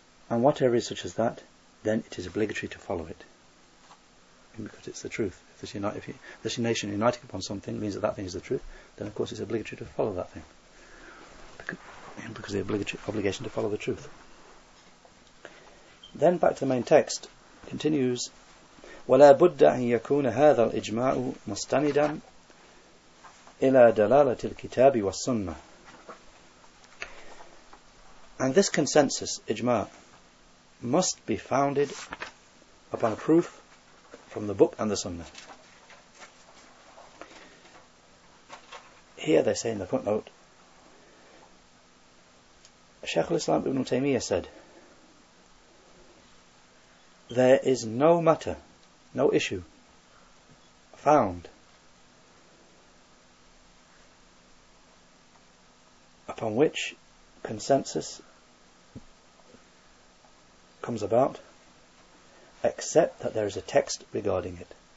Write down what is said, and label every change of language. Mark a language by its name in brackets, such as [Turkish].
[English] And whatever is such as that, then it is obligatory to follow it. because it's the truth. If this, nation united upon something means that that thing is the truth, then of course it's obligatory to follow that thing. Because of the obligation to follow the truth. Then back to the main text, continues, [Arabic] وَلَا بُدَّ أَنْ يَكُونَ هَذَا الْإِجْمَاءُ مُسْتَنِدًا إِلَى دَلَالَةِ الْكِتَابِ وَالسُّنَّةِ. [English] And this consensus, ijma, must be founded upon a proof from the book and the sunnah. Here they say in the footnote, Shaykh al-Islam ibn Taymiyyah said, there is no matter, no issue found upon which consensus comes about, except that there is a text regarding it.